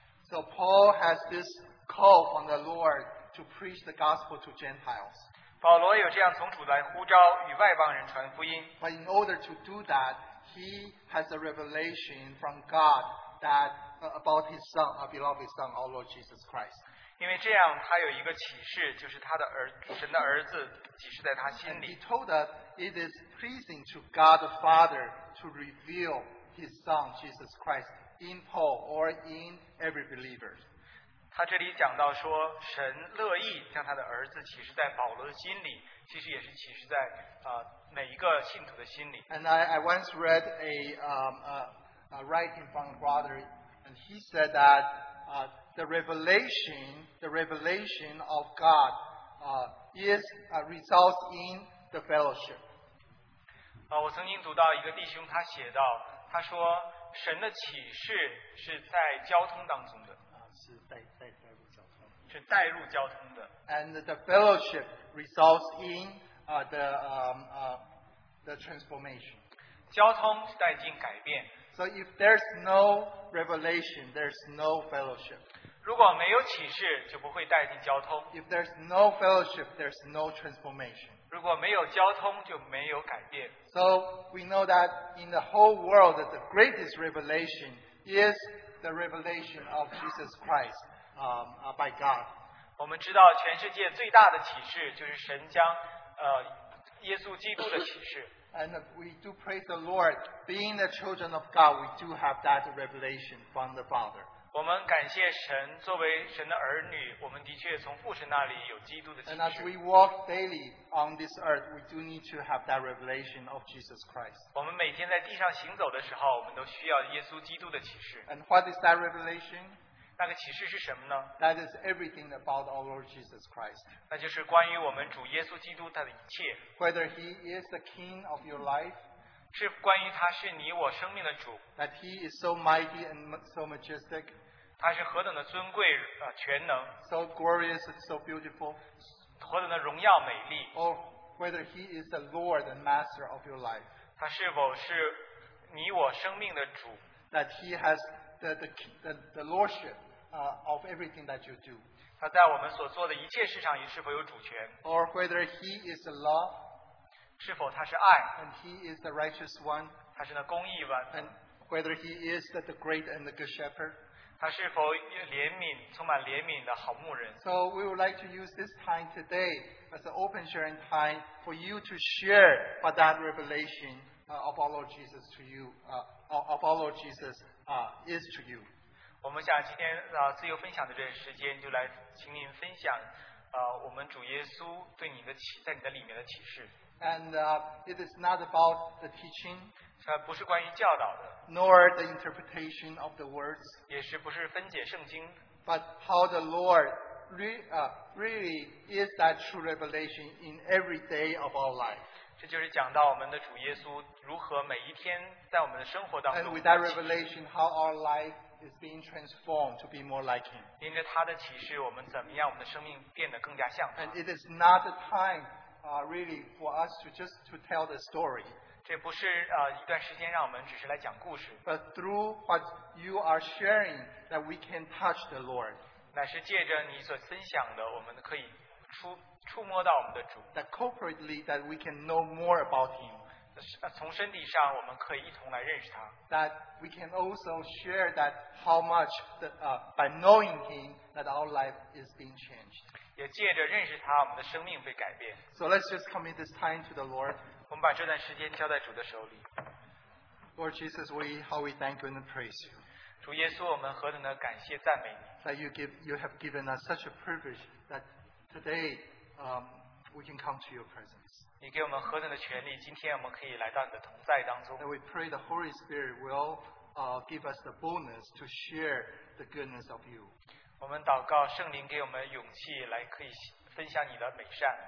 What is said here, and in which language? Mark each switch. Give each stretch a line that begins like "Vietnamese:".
English: So Paul has this call from the Lord to preach the gospel to Gentiles.
Chinese: 保罗有这样从主来呼召与外邦人传福音.
English: But in order to do that, he has a revelation from God that about his son, our beloved son, our Lord Jesus Christ.
Chinese: 因为这样他有一个启示, 就是他的神的儿子, 启示在他心里.
English: And he told us it is pleasing to God the Father to reveal his son, Jesus Christ, in Paul or in every believer.
Chinese: 他这里讲到说神乐意将他的儿子启示在保罗的心里, 其实也是启示在,
English: And I once read a writing from a brother, and he said that the revelation of God results in the fellowship.
Chinese: 我曾经读到一个弟兄他写道, 他说神的启示是在交通当中的。是带入交通的,
English: and the fellowship results in the transformation.
Chinese: 交通是带进改变.
English: So if there's no revelation, there's no fellowship.
Chinese: 如果没有启示, 就不会带进交通.
English: If there's no fellowship, there's no transformation.
Chinese: 如果没有交通, 就没有改变.
English: So we know that in the whole world, the greatest revelation is the revelation of Jesus Christ by God.
Chinese: 我们知道全世界最大的启示就是神将, 耶稣基督的启示。
English: And we do praise the Lord, being the children of God, we do have that revelation from the Father.
Chinese: 我们感谢神, 作为神的儿女, 我们的确从父神那里有基督的启示。
English: And as we walk daily on this earth, we do need to have that revelation of Jesus Christ.
Chinese: 我们每天在地上行走的时候, 我们都需要耶稣基督的启示。
English: And what is that revelation?
Chinese: 那个启示是什么呢?
English: That is everything about our Lord Jesus Christ.
Chinese: 那就是关于我们主耶稣基督他的一切。
English: Whether He is the King of your life,
Chinese: 是关于他是你我生命的主,
English: that He is so mighty and so majestic,
Chinese: 他是何等的尊贵, 全能,
English: so glorious and so beautiful,
Chinese: 何等的荣耀美丽,
English: or whether He is the Lord and Master of your life,
Chinese: 他是否是你我生命的主,
English: that He has the lordship of everything that you do.
Chinese: 他在我们所做的一切事上是否有主权。
English: Or whether he is the love,
Chinese: 是否他是爱。
English: And he is the righteous one,
Chinese: 他是那公义的。
English: And whether he is the great and the good shepherd,
Chinese: 他是否怜悯，充满怜悯的好牧人。
English: So we would like to use this time today as an open sharing time for you to share about that revelation of our Lord Jesus to you, of our Lord Jesus is to you.
Chinese: 我们想今天自由分享的这段时间，就来请您分享我们主耶稣对你的启，在你的里面的启示。
English: And it is not about the teaching,
Chinese: 不是关于教导的。
English: Nor the interpretation of the words,
Chinese: 也是不是分解圣经。
English: But how the Lord really is that true revelation in every day of our life.
Chinese: 这就是讲到我们的主耶稣如何每一天在我们的生活当中。
English: And with that revelation, how our life is being transformed to be more like him.
Chinese: 因着他的启示，我们怎么样，我们的生命变得更加像他。
English: And it is not the time, really for us to just to tell the story.
Chinese: 这不是一段时间让我们只是来讲故事。
English: But through what you are sharing, that we can touch the Lord.
Chinese: 乃是借着你所分享的，我们可以触摸到我们的主。
English: That corporately that we can know more about him.
Chinese: 从身体上我们可以一同来认识他。
English: That we can also share that how much by knowing him that our life is being changed.
Chinese: 也借着认识他，我们的生命被改变。
English: So let's just commit this time to the Lord.
Chinese: 我们把这段时间交在主的手里。
English: Lord Jesus, how we thank you and praise you.
Chinese: 主耶稣，我们何等的感谢赞美你。
English: That you have given us such a privilege that today, we can come to your presence.
Chinese: 你给我们何等的权利，今天我们可以来到你的同在当中。
English: And we pray the Holy Spirit will give us the boldness to share the goodness of you.
Chinese: 我们祷告圣灵给我们勇气来可以分享你的美善。